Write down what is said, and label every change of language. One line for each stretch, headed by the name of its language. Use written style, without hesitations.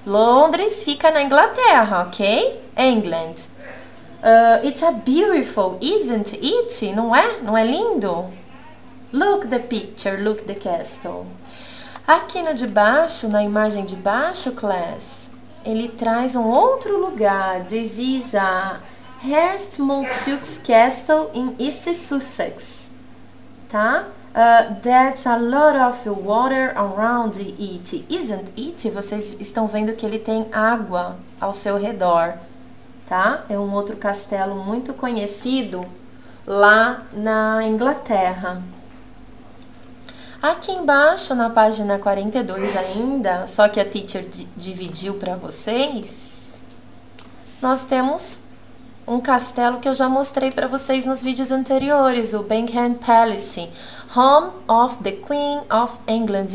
Portuguese: Londres fica na Inglaterra, ok? England.
English: It's a beautiful, isn't it?
Portuguese: Não é? Não é lindo?
English: Look the picture, look the castle.
Portuguese: Aqui no de baixo, na imagem de baixo, class, ele traz um outro lugar.
English: This is a Hurst Monsuke's Castle in East Sussex. Tá? That's a lot of water around it, isn't it?
Portuguese: Vocês estão vendo que ele tem água ao seu redor, tá? É um outro castelo muito conhecido lá na Inglaterra. Aqui embaixo, na página 42 ainda, só que a teacher dividiu para vocês, nós temos um castelo que eu já mostrei para vocês nos vídeos anteriores, o Buckingham Palace,
English: Home of the Queen of England.